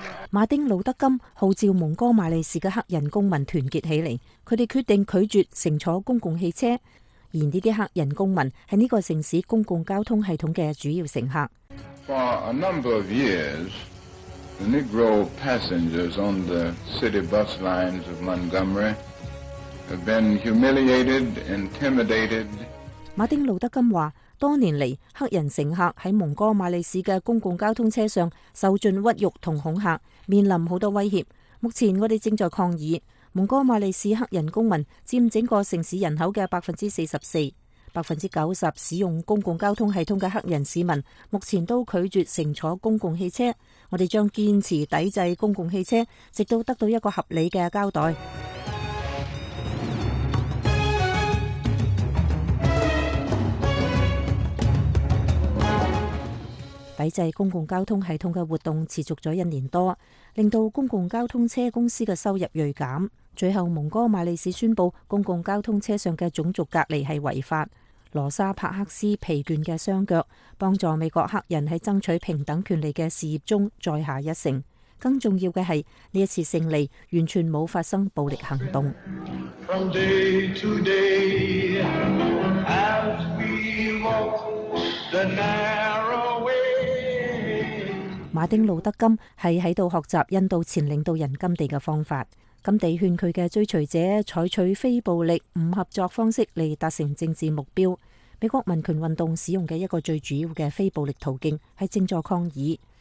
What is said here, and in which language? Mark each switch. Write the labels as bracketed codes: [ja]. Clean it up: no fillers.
[zh] 马丁·路德·金号召蒙哥马利市的黑人公民团结起来，他们决定拒绝乘坐公共汽车，而这些黑人公民是这个城市公共交通系统的主要乘客。 [en] For a number of years, the Negro passengers on the city bus lines of Montgomery have been humiliated, intimidated. [zh] 马丁·路德·金说，多年来黑人乘客在蒙哥马利市的公共交通车上受尽屈辱和恐吓，面临很多威胁，目前我们正在抗议。蒙哥马利市黑人公民占整个城市人口的 44%， 90%使用公共交通系统的黑人市民目前都拒绝乘坐公共汽车，我们将坚持抵制公共汽车，直到得到一个合理的交代。抵制公共交通系统的活动持续了一年多，令到公共交通车公司的收入锐减，最后蒙哥马利市宣布公共交通车上的种族隔离是违法。罗莎·帕克斯疲倦的双脚帮助美国黑人在争取平等权利的事业中再下一城，更重要的是这次胜利完全没有发生暴力行动。 [en] From day to day, as we walk the narrow way。 [zh] 马丁·路德·金是在这里学习印度前领导人甘地的方法，甘地劝他的追随者采取非暴力、不合作方式来达成政治目标。美国民权运动使用的一个最主要的非暴力途径是正在抗议。